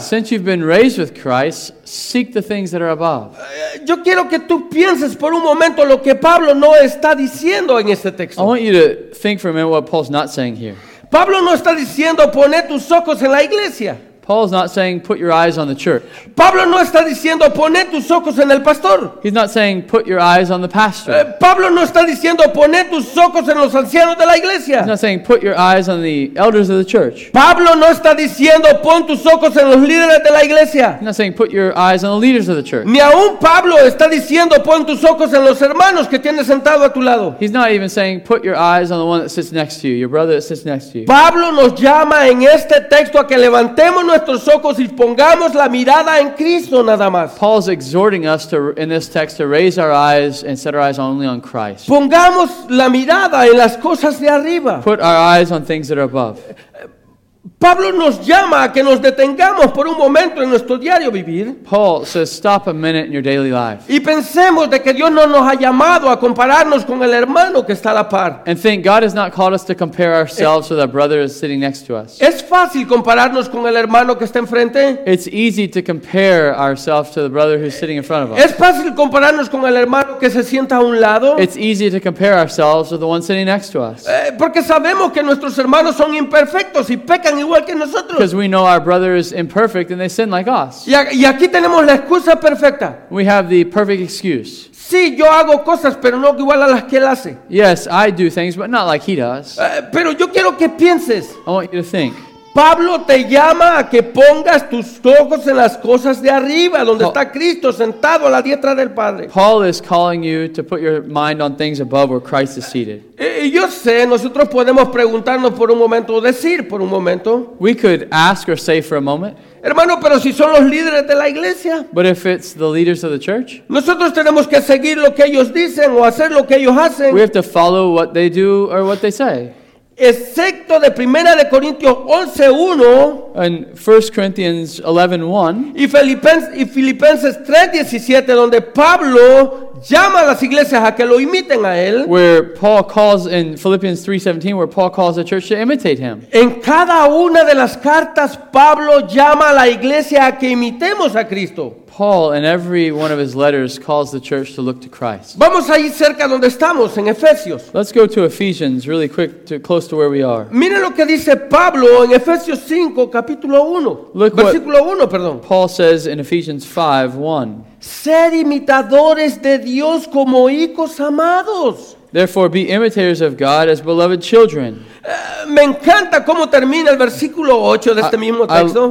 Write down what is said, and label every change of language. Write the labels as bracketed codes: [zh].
[en] Since you've been raised with Christ, seek the things that are above. [es] Yo quiero que tú pienses por un momento lo que Pablo no está diciendo en este texto. [en] I want you to think for a minute what Paul's not saying here. [es] Pablo no está diciendo pone tus ojos en la iglesia. [en] Paul's not saying put your eyes on the church. [es] Pablo no está diciendo pone tus ojos en el pastor. [en] He's not saying put your eyes on the pastor. [es] Pablo no está diciendo pone tus ojos en los ancianos de la iglesia. [en] He's not saying put your eyes on the elders of the church. [es] Pablo no está diciendo pon tus ojos en los líderes de la iglesia. [en] He's not saying put your eyes on the leaders of the church. [es] Ni aun Pablo está diciendo pon tus ojos en los hermanos que tienes sentado a tu lado. [en] He's not even saying put your eyes on the one that sits next to you, your brother that sits next to you. [es] Pablo nos llama en este texto a que levantemos nuestros ojos y pongamos la mirada en Cristo nada más. [en] Paul's exhorting us to, in this text, to raise our eyes and set our eyes only on Christ. [es] Pongamos la mirada en las cosas de arriba. [en] Put our eyes on things that are above. [es] Pablo nos llama a que nos detengamos por un momento en nuestro diario vivir. [en] Paul says, stop a minute in your daily life. [es] Y pensemos de que Dios no nos ha llamado a compararnos con el hermano que está a la par. [en] And think, God has not called us to compare ourselves with our brother sitting next to us. [es] ¿Es fácil compararnos con el hermano que está enfrente? [en] It's easy to compare ourselves to the brother who's sitting in front of us. [es] ¿Es fácil compararnos con el hermano que se sienta a un lado? [en] It's easy to compare ourselves with the one sitting next to us. [es] Porque sabemos que nuestros hermanos son imperfectos y pecan igual que nosotros. [en] Because we know our brother is imperfect and they sin like us. [es] Y aquí tenemos la excusa perfecta. [en] We have the perfect excuse. [es] Sí, yo hago cosas, pero no igual a las que él hace. [en] Yes, I do things, but not like he does. [es] Pero yo quiero que pienses. [en] I want you to think. [es] Pablo te llama a que pongas tus ojos en las cosas de arriba, donde está Cristo sentado a la diestra del Padre. [en] Paul is calling you to put your mind on things above where Christ is seated. [es] Y yo sé, nosotros podemos preguntarnos por un momento o decir por un momento. [en] We could ask or say for a moment. [es] Hermano, pero si son los líderes de la iglesia. [en] But if it's the leaders of the church. [es] Nosotros tenemos que seguir lo que ellos dicen o hacer lo que ellos hacen. [en] We have to follow what they do or what they say. [es] Excepto de Primera de Corintios 11:1 [en] and 1 Corinthians 11:1 [es] y Filipenses 3:17 donde Pablo llama a las iglesias a que lo imiten a él. [en] Where Paul calls in Philippians 3:17, where Paul calls the church to imitate him. [es] En cada una de las cartas Pablo llama a la iglesia a que imitemos a Cristo. [en] Paul, in every one of his letters, calls the church to look to Christ. [es] Vamos ahí cerca donde estamos, en Efesios. [en] Let's go to Ephesians really quick, to close to where we are. [es] Mira lo que dice Pablo en Efesios 5, capítulo 1. [en] Look [es] versículo [en] what [es] 1, perdón. [en] Paul says in Ephesians 5, 1. [es] Ser imitadores de Dios como hijos amados. [en] Therefore, be imitators of God as beloved children. [es] Me encanta cómo termina el versículo 8 de este mismo texto.